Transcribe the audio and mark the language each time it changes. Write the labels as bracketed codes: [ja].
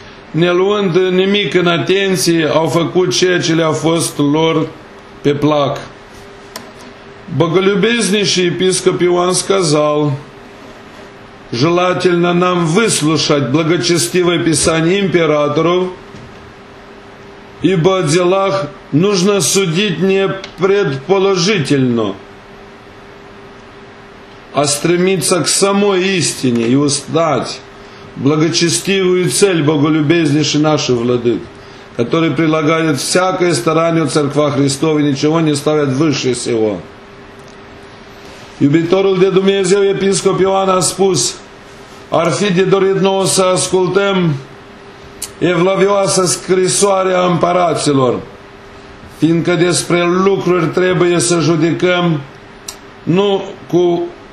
[ro] ne luând nimic în atenție, au făcut ceea ce le-a fost lor pe plac. [ru] Боголюбезнейший епископ Иоанн сказал: «Желательно нам выслушать благочестивое писание императоров, ибо о делах нужно судить не предположительно, а стремиться к самой истине и узнать благочестивую цель, боголюбезнейший наших владык, который прилагает всякое старание в церквах Христовой и ничего не ставит выше сего». [ro] Iubitorul de Dumnezeu, episcop Ioan, a spus: ar fi de dorit nouă să ascultăm evlavioasă scrisoare a împăraților, fiindcă despre lucruri trebuie să judecăm nu cu